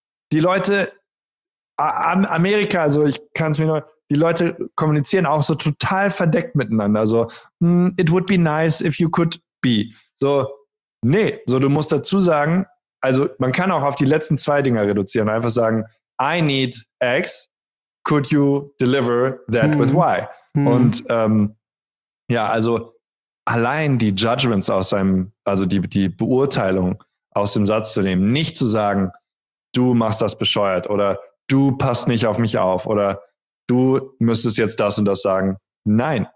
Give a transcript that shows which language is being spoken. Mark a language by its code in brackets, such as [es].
[de] Die Leute, Amerika, also ich kann es mir nur, die Leute kommunizieren auch so total verdeckt miteinander. [en] So, it would be nice if you could be. [de] So, nee, so du musst dazu sagen, also man kann auch auf die letzten 2 Dinger reduzieren. Einfach sagen, [en] I need X, could you deliver that with Y? [de] Und ja, also allein die Judgments aus seinem, also die Beurteilung aus dem Satz zu nehmen, nicht zu sagen, du machst das bescheuert oder du passt nicht auf mich auf oder du müsstest jetzt das und das sagen. Nein.